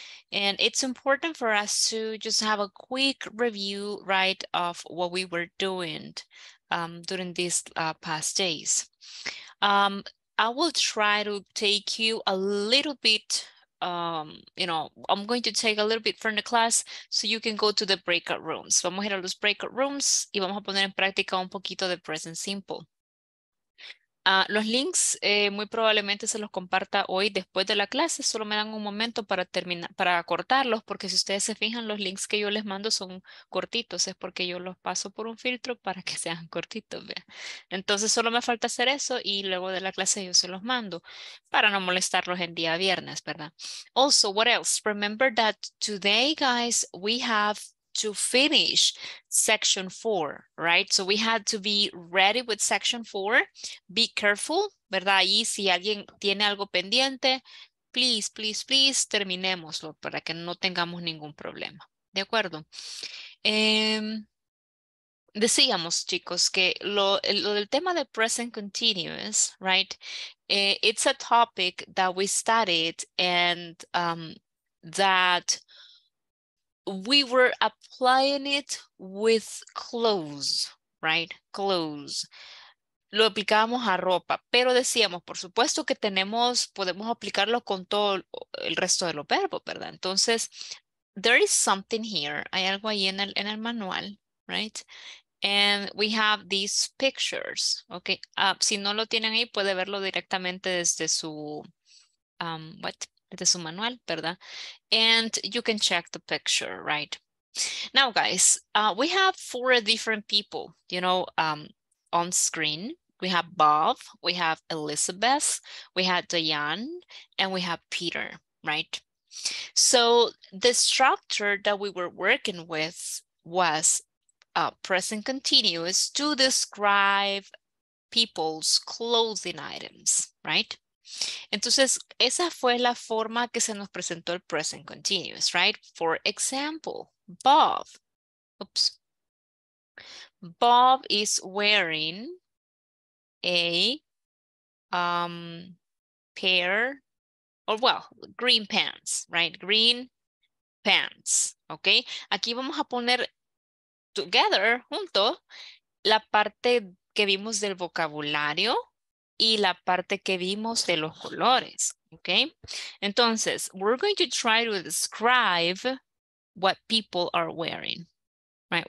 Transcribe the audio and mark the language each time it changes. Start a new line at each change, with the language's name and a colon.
English: And it's important for us to just have a quick review, right, of what we were doing during these past days. I will try to take you a little bit I'm going to take a little bit from the class so you can go to the breakout rooms.
Spanish: Vamos a ir a los breakout rooms y vamos a poner en práctica un poquito de present simple. Los links muy probablemente se los comparta hoy después de la clase. Solo me dan un momento para terminar, para cortarlos, porque si ustedes se fijan, los links que yo les mando son cortitos. Es porque yo los paso por un filtro para que sean cortitos, ¿vea? Entonces solo me falta hacer eso y luego de la clase yo se los mando para no molestarlos en día viernes, ¿verdad?
English: Also, what else? Remember that today, guys, we have to finish section four, right? So we had to be ready with section four. Be careful,
Spanish: ¿verdad? Y si alguien tiene algo pendiente,
English: please, please, please,
Spanish: terminémoslo para que no tengamos ningún problema. ¿De acuerdo? Decíamos, chicos, que lo del tema de present continuous, right?
English: It's a topic that we studied and that we were applying it with clothes, right? Clothes.
Spanish: Lo aplicábamos a ropa, pero decíamos, por supuesto que tenemos, podemos aplicarlo con todo el resto de los verbos, ¿verdad? Entonces,
English: there is something here.
Spanish: Hay algo ahí en el manual, right?
English: And we have these pictures, okay?
Spanish: Si no lo tienen ahí, puede verlo directamente desde su, desde su manual, ¿verdad?
English: And you can check the picture, right? Now, guys, we have four different people, you know, on screen. We have Bob, we have Elizabeth, we have Diane, and we have Peter, right? So the structure that we were working with was present continuous to describe people's clothing items, right?
Spanish: Entonces, esa fue la forma que se nos presentó el present continuous, right?
English: For example, Bob. Oops. Bob is wearing a pair, or well, green pants, right? Green pants, okay?
Spanish: Aquí vamos a poner together, junto, la parte que vimos del vocabulario y la parte que vimos de los colores, okay?
English: Entonces, we're going to try to describe what people are wearing, right?